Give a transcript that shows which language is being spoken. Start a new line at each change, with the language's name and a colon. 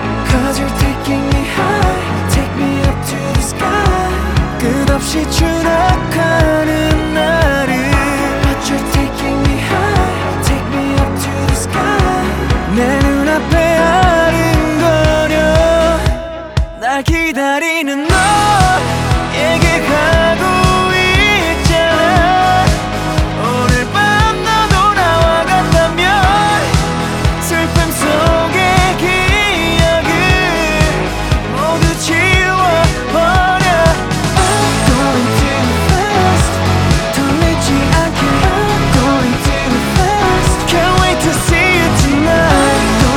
English: Cause you're taking me high, take me up to the sky.
Korean: 끝없이 추락하는 나를.
English: But you're taking me high, take me up to the sky.
Korean: 내 눈앞에 아른거려. 날 기다리는 너에게 가고 있잖아. 오늘 밤 너도 나와 간다면 슬픔 속의 기억을 모두 지워버려.
English: I'm going too fast,
Korean: 돌리지 않게.
English: I'm going too fast, can't wait to see you tonight.